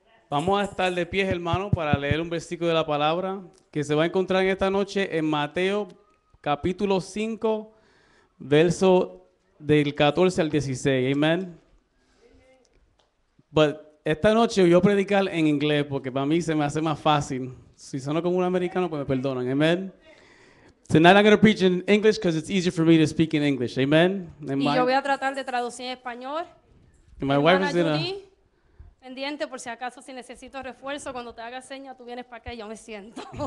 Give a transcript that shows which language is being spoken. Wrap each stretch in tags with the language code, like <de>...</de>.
<es>Vamos a estar de pie, hermano, para leer un versículo de la palabra que se va a encontrar en esta noche en Mateo capítulo 5, verso del 14 al 16. Amén. But esta noche voy a predicar en inglés porque para mí se me hace más fácil. Si sueno como un americano, pues me perdonan. Amén.</es> <en>Tonight I'm going to preach in English because it's easier for me to speak in English. Amen.</en> <es>Y yo voy a tratar de traducir en español.</es> <en>And my wife is going to...</en> <es>Pendiente por si acaso, si necesito refuerzo, cuando te haga seña, tú vienes para acá y yo me siento.</es>